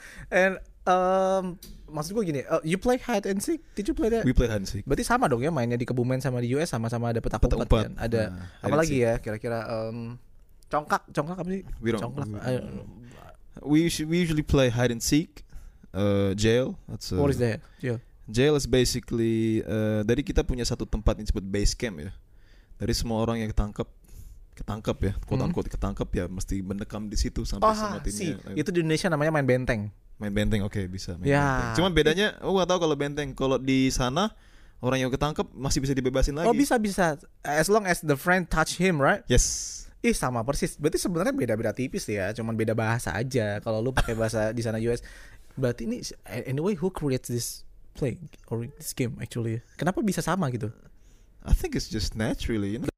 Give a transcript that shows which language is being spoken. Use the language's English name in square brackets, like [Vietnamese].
[English] And [Indonesian] maksud gue gini. [English] You play hide and seek? Did you play that? We played hide and seek. [Indonesian] Berarti sama dong ya mainnya di Kebumen sama di US, sama-sama ada petak umpet. Kan? Ada apa lagi ya? Kira-kira congkak, congkak apa sih? [English] We don't. Congkak. We usually play hide and seek. Jail. That's what is that? Jail. Jail is basically [Indonesian] dari kita punya satu tempat yang disebut base camp ya. Dari semua orang yang ketangkep ya, quote-unquote ketangkep ya, mesti mendekam di situ sampai sematinya. Itu di Indonesia namanya main benteng. Main benteng, oke, okay, bisa. Ya. Cuman bedanya, gue gak tahu kalau benteng, kalau di sana orang yang ketangkep masih bisa dibebasin lagi. Oh bisa bisa, [English] as long as the friend touch him, right? Yes. [Indonesian] Ih sama persis. Berarti sebenarnya beda-beda tipis ya, cuman beda bahasa aja. Kalau lu pakai bahasa di sana US, berarti ini [English] anyway who creates this play or this game actually? [Indonesian] Kenapa bisa sama gitu? [English] I think it's just naturally, you know.